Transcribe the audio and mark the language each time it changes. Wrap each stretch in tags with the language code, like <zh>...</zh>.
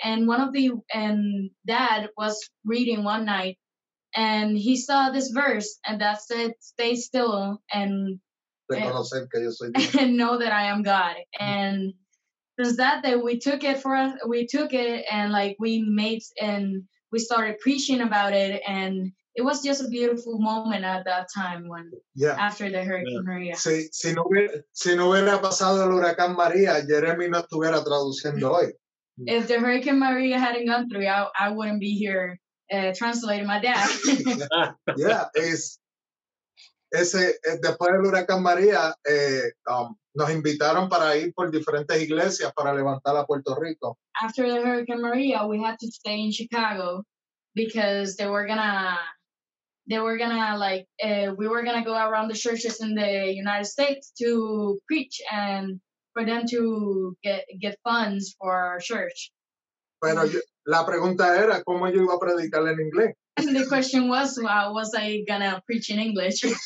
<en>And one of the, and Dad was reading one night and he saw this verse and that said, stay still and know that I am God. And since that day, we took it for us, we took it and like we made and we started preaching about it. And it was just a beautiful moment at that time when, after the Hurricane Maria.</en> <es>Si, si no hubiera pasado el huracán María, Jeremy no estuviera traduciendo hoy.</es> <en>If the Hurricane Maria hadn't gone through, I wouldn't be here translating my dad.</en> <es>Después del huracán María, nos invitaron para ir por diferentes iglesias para levantar a Puerto Rico.</es> <en>After the Hurricane Maria, we had to stay in Chicago because we were gonna go around the churches in the United States to preach and for them to get funds for our church.</en> <es>Bueno, la pregunta era, ¿cómo yo iba a predicar en inglés?</es> <en>The question was, well, was I gonna preach in English?</en>